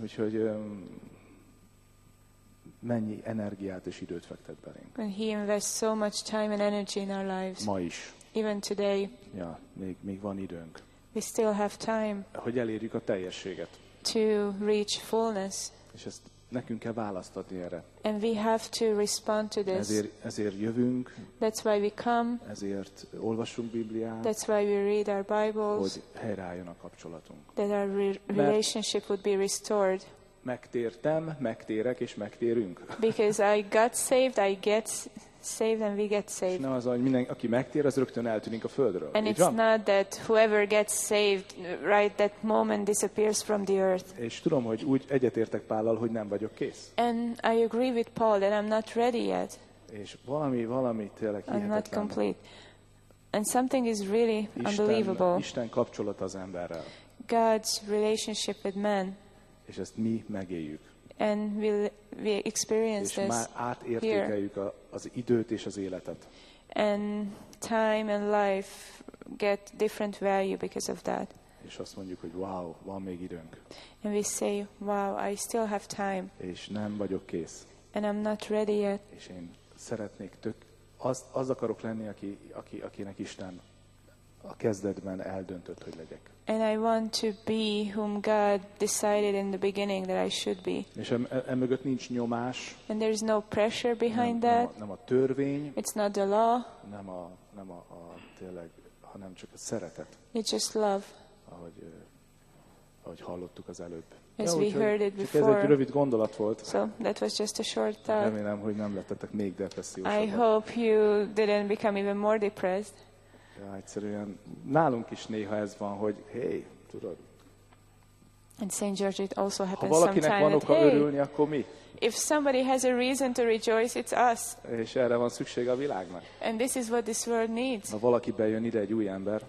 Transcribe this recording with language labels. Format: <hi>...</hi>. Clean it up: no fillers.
<hu>Úgyhogy mennyi energiát és időt fektet belénk.</hu> <en>And he invests so much time and energy in our lives.</en> <hu>Ma is.</hu> <en>Even today.</en> <hu>Ja, még van időnk.</hu> <en>We still have time.</en> <hu>Hogy elérjük a teljességet.</hu> <en>To reach fullness.</en> <hu>És ezt nekünk kell választani erre.</hu> <en>And we have to respond to this.</en> <hu>Ezért jövünk.</hu> <en>That's why we come.</en> <hu>Ezért olvasunk Bibliát.</hu> <en>That's why we read our Bibles.</en> <hu>Hogy helyreálljon a kapcsolatunk.</hu> <en>That our relationship would be restored.</en> <hu>Megtértem, megtérek és megtérünk.</hu> <en>Because I got saved, I get saved and we get saved.</en> <hu>Nem az, hogy mindenki, aki megtér, az rögtön eltűnik a földről.</hu> <en>And it's not that whoever gets saved right that moment disappears from the earth.</en> <hu>És tudom, hogy úgy egyetértek Pállal, hogy nem vagyok kész.</hu> <en>And I agree with Paul that I'm not ready yet.</en> <hu>És valami tényleg hihetetlen.</hu> <en>I'm not complete. And something is really unbelievable.</en> <hu>Isten kapcsolat az emberrel.</hu> <en>God's relationship with man.</en> <hu>És ezt mi megéljük.</hu> <en>And we experience</en> <hu>this. És már átértékeljük az időt és az életet.</hu> <en>And time and life get different value because of that.</en> <hu>És azt mondjuk, hogy wow, van még időnk.</hu> <en>And we say, wow, I still have time.</en> <hu>És nem vagyok kész.</hu> <en>And I'm not ready yet.</en> <hu>És én szeretnék az akarok lenni, akinek Isten a kezdetben eldöntött, hogy legyek.</hu> <en>And I want to be whom God decided in the beginning that I should be.</en> <hu>És emögött nincs nyomás.</hu> <en>And there's no pressure behind that.</en> <hu>Nem a törvény.</hu> <en>It's not the law.</en> <hu>Nem a tényleg, hanem csak a szeretet.</hu> <en>It's just love.</en> <hu>Ahogy hallottuk az előbb.</hu> <en>As we heard it before.</en> <hu>Ez egy rövid gondolat volt.</hu> <en>So that was just a short thought.</en> <hu>Remélem, hogy nem lettetek még depressziósabbak.</hu> <en>I hope you didn't become even more depressed.</en> <hu>Ja, egyszerűen nálunk is néha ez van, hogy hey, tudod.</hu> <en>And Saint George, it also happens</en> <hu>sometimes. Ha valakinek van oka örülni, akkor mi?</hu> <en>If somebody has a reason to rejoice, it's us.</en> <hu>És erre van szükség a világnak.</hu> <en>And this is what this world needs.</en> <hu>Ha valaki bejön ide, egy új ember.</hu>